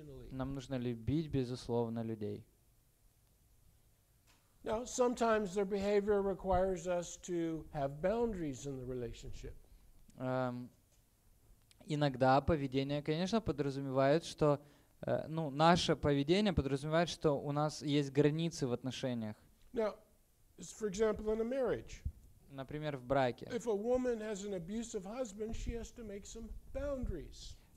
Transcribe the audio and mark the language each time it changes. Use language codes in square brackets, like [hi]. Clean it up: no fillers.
[ru] Нам нужно любить, безусловно, людей. [en] Now, sometimes their behavior requires us to have boundaries in the relationship. [ru] Иногда поведение, конечно, подразумевает, что ну, наше поведение подразумевает, что у нас есть границы в отношениях. [en] Now, for example, in a marriage. [ru] Например, в браке. [en] If a woman has an abusive husband, she has to make some boundaries.